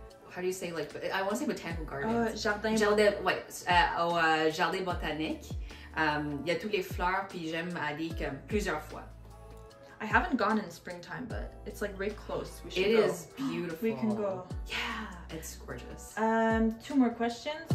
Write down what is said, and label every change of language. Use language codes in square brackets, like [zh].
[en] how do you say, like, I want to say botanical gardens. [fr] Jardin botanique. Il y a toutes les fleurs, puis j'aime aller comme plusieurs fois. [en] I haven't gone in springtime, but it's like right close. We should go. It is beautiful. We can go. Yeah, it's gorgeous. Two more questions.